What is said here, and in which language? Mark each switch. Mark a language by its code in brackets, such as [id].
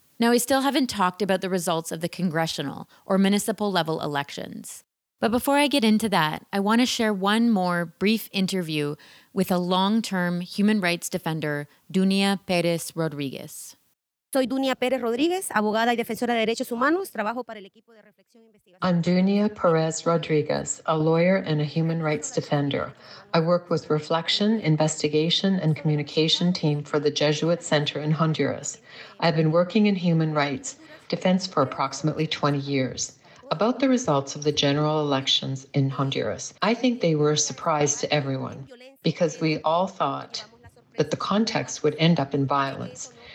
[en] Now, we still haven't talked about the results of the congressional or municipal level elections. But before I get into that, I want to share one more brief interview with a long-term human rights defender, Dunia Pérez Rodríguez. [es] Soy Dunia Pérez Rodríguez, abogada y defensora de derechos humanos. Trabajo para el equipo de reflexión e investigación. [en] I'm Dunia Pérez Rodríguez, a lawyer and a human rights defender. I work with Reflection, Investigation, and Communication Team for the Jesuit Center in Honduras. I've been working in human rights defense for approximately 20 years. About the results of the general elections in Honduras, I think they were a surprise to everyone because we all thought that the context would end up in violence.